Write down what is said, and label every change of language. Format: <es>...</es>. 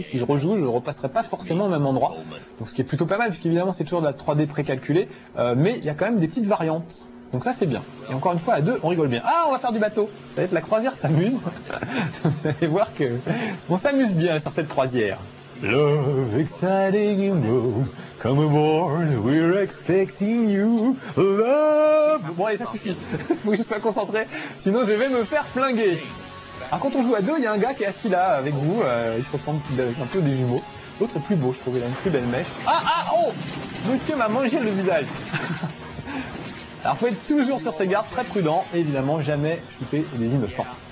<fr>Si je rejoue, je repasserai pas forcément au même endroit, donc ce qui est plutôt pas mal, puisqu'évidemment c'est toujours de la 3D précalculée, mais il y a quand même des petites variantes, donc ça c'est bien. Et encore une fois, à deux, on rigole bien. Ah, on va faire du bateau, ça va être la croisière s'amuse. Vous allez voir que on s'amuse bien sur cette croisière.</fr> <en>Love, exciting and bold, come aboard, we're expecting you, love.</en> <fr>Bon allez, ça suffit, faut juste pas concentrer, sinon je vais me faire flinguer. Alors quand on joue à deux, il y a un gars qui est assis là avec vous, il se ressemble un peu des jumeaux. L'autre est plus beau, je trouve, il a une plus belle mèche. Ah, oh, monsieur m'a mangé le visage. Alors faut être toujours sur ses gardes, très prudent, et évidemment jamais shooter des innocents.</fr>